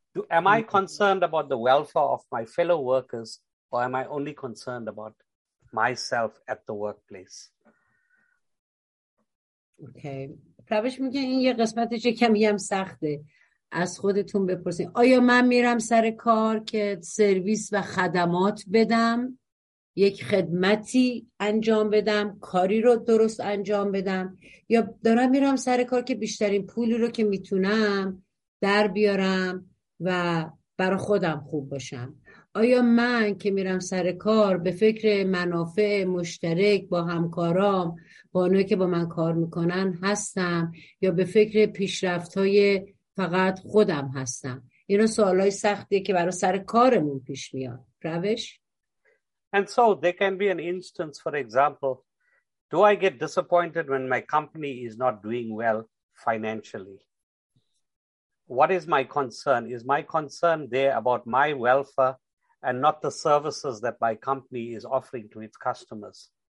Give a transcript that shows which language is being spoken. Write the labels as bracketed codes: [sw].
[en] Am I concerned about the welfare of my fellow workers, or am I only concerned about myself at the workplace? Okay. [fa] پروش میگه این یه قسمتش کمی هم سخته. از خودتون بپرسید، آیا من میرم سر کار که سرویس و خدمات بدم، یک خدمتی انجام بدم، کاری رو درست انجام بدم، یا دارم میرم سر کار که بیشترین پولی رو که میتونم در بیارم و برای خودم خوب باشم؟ آیا من که میرم سر کار به فکر منافع مشترک با همکارام، با اونایی که با من کار میکنن هستم، یا به فکر پیشرفت‌های فقط خودم هستم؟ اینا سوالای سختیه که برای سر کارمون پیش میاد. روش؟ [en] And so there can be an instance, for example, do I get disappointed when my company is not doing well financially? What is my concern? Is my concern there about my welfare and not the services that my company is offering to its customers?